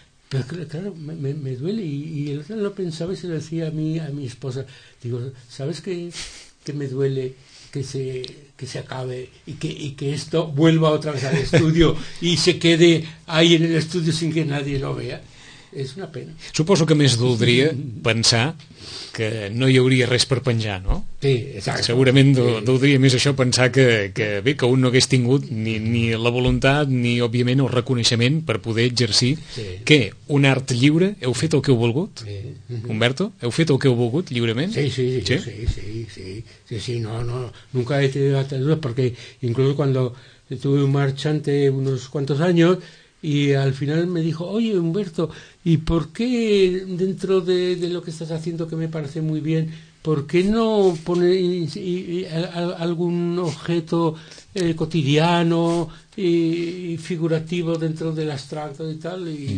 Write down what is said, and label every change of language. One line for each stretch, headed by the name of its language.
Spanish: Pero claro, me duele y el otro lo pensaba y se lo decía a mi esposa. Digo, ¿sabes que me duele que se acabe y que esto vuelva otra vez al estudio y se quede ahí en el estudio sin que nadie lo vea?
Catalan: És una pena. Suposo que més doldria pensar que no hi hauria res per penjar, no? Sí, exacte. Segurament doldria més això pensar que bé, que un no hagués tingut ni la voluntat ni, òbviament, el reconeixement per poder exercir. Sí. Què? Un art lliure? Heu fet el que heu volgut? Sí. Humberto, heu fet el que heu volgut lliurement? Sí, sí, sí. Sí, sí, sí, sí, sí, sí, no.
Spanish: Nunca he tenido altres dudas porque incluso cuando tuve un marchante unos cuantos años... Y al final me dijo, oye, Humberto, ¿y por qué dentro de lo que estás haciendo, que me parece muy bien, por qué no poner algún objeto cotidiano y figurativo dentro del abstracto y tal?